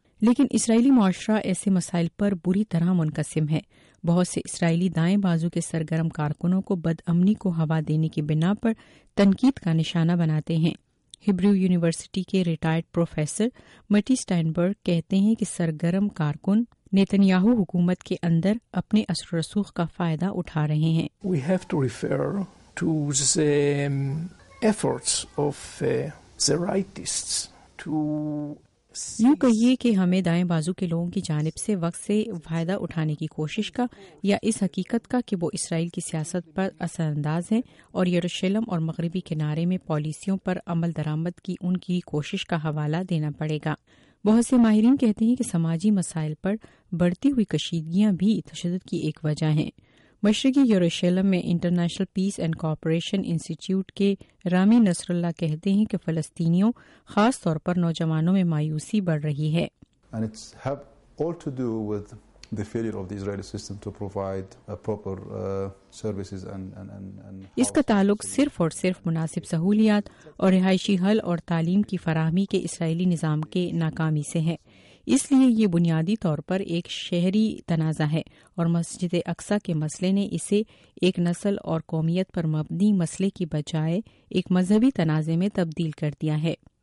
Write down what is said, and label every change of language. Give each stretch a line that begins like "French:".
Urdu: لیکن اسرائیلی معاشرہ ایسے مسائل پر بری طرح منقسم ہے۔ بہت سے اسرائیلی دائیں بازو کے سرگرم کارکنوں کو بد امنی کو ہوا دینے کی بنا پر تنقید کا نشانہ بناتے ہیں۔ ہبریو یونیورسٹی کے ریٹائرڈ پروفیسر مٹی سٹائنبرگ کہتے ہیں کہ سرگرم کارکن نیتنیاہو حکومت کے اندر اپنے اثر و رسوخ کا فائدہ اٹھا رہے ہیں۔
English: We have to refer to the efforts of the rightists to...
Urdu: یوں کہیے کہ ہمیں دائیں بازو کے لوگوں کی جانب سے وقت سے فائدہ اٹھانے کی کوشش کا، یا اس حقیقت کا کہ وہ اسرائیل کی سیاست پر اثر انداز ہیں اور یروشلم اور مغربی کنارے میں پالیسیوں پر عمل درآمد کی ان کی کوشش کا حوالہ دینا پڑے گا۔ بہت سے ماہرین کہتے ہیں کہ سماجی مسائل پر بڑھتی ہوئی کشیدگیاں بھی تشدد کی ایک وجہ ہیں۔ مشرقی یروشلم میں international peace and cooperation institute کے رامی نصر اللہ کہتے ہیں کہ فلسطینیوں، خاص طور پر نوجوانوں میں مایوسی بڑھ رہی ہے۔
English: And it's have all to do with the failure of the Israeli system to provide proper services and
Urdu: اس کا تعلق صرف اور صرف مناسب سہولیات اور رہائشی حل اور تعلیم کی فراہمی کے اسرائیلی نظام کے ناکامی سے ہے۔ اس لیے یہ بنیادی طور پر ایک شہری تنازع ہے، اور مسجد اقصی کے مسئلے نے اسے ایک نسل اور قومیت پر مبنی مسئلے کی بجائے ایک مذہبی تنازع میں تبدیل کر دیا ہے۔